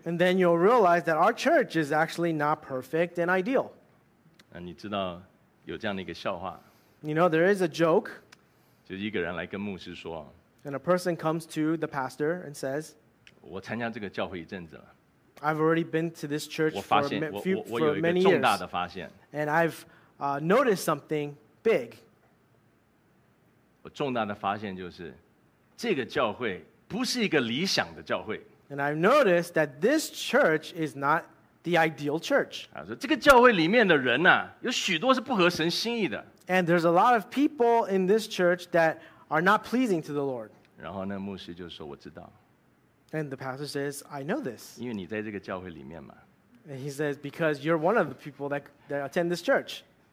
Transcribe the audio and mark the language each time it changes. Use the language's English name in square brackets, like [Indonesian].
[English] and then you'll realize that our church is actually not perfect and ideal. [Chinese] 你知道有这样的一个笑话, [English] you know, there is a joke, [Chinese] 就一个人来跟牧师说, [English] and a person comes to the pastor and says, [Chinese] 我参加这个教会一阵子了。 [English] I've already been to this church for many years. And I've noticed something big. [Chinese] 我重大的发现就是，这个教会不是一个理想的教会。 [English] And I've noticed that this church is not the ideal church. [Chinese] 他说，这个教会里面的人啊，有许多是不合神心意的。 [English] And there's a lot of people in this church that are not pleasing to the Lord. [Chinese] 然后那牧师就说，我知道。 [English] And the pastor says, I know this. [Chinese] 因为你在这个教会里面嘛。 [English] And he says, because you're one of the people that attend this church.